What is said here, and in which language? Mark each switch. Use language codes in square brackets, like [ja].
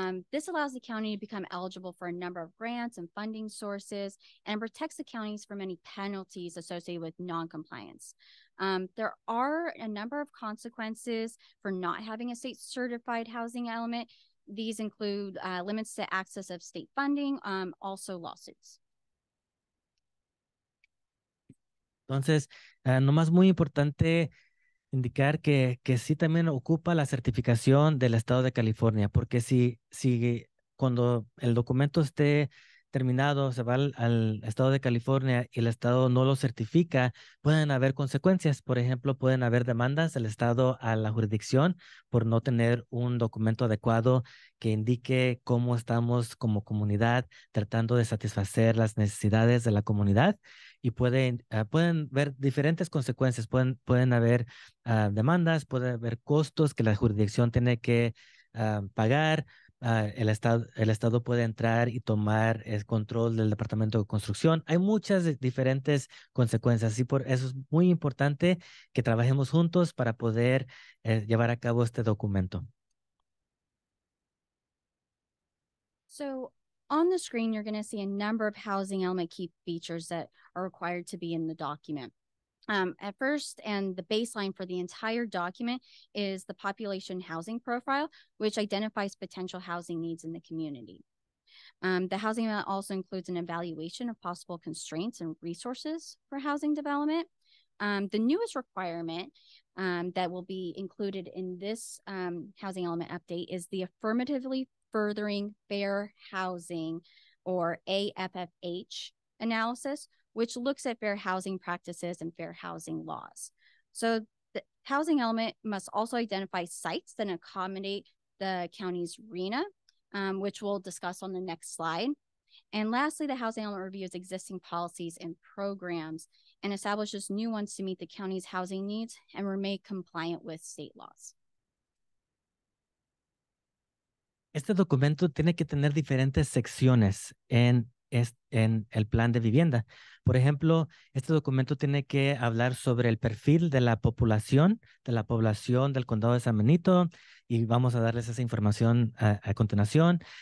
[en] This allows the county to become eligible for a number of grants and funding sources and protects the counties from any penalties associated with non-compliance. There are a number of consequences for not having a state certified housing element. These include limits to access of state funding, also lawsuits. [es] Entonces, nomás muy importante indicar que sí también ocupa la certificación del Estado de California, porque si cuando el documento esté terminado, se va al estado de California y el estado no lo certifica, pueden haber consecuencias. Por ejemplo, pueden haber demandas del estado a la jurisdicción por no tener un documento adecuado que indique cómo estamos como comunidad tratando de satisfacer las necesidades de la comunidad. Y pueden ver diferentes consecuencias. Pueden haber demandas, puede haber costos que la jurisdicción tiene que pagar. El estado puede entrar y tomar el control del departamento de construcción. Hay muchas diferentes consecuencias y por eso es muy importante que trabajemos juntos para poder llevar a cabo este documento. [en] So on the screen, you're going to see a number of housing element key features that are required to be in the document. At first, and the baseline for the entire document is the population housing profile, which identifies potential housing needs in the community. The housing element also includes an evaluation of possible constraints and resources for housing development. The newest requirement that will be included in this housing element update is the affirmatively furthering fair housing, or AFFH analysis, which looks at fair housing practices and fair housing laws. So the housing element must also identify sites that accommodate the county's RENA, which we'll discuss on the next slide. And lastly, the housing element reviews existing policies and programs and establishes new ones to meet the county's housing needs and remain compliant with state laws. [es] Este documento tiene que tener diferentes secciones en el plan de vivienda. Por ejemplo, este documento tiene que hablar sobre el perfil de la población, del condado de San Benito, y vamos a darles esa información a continuación.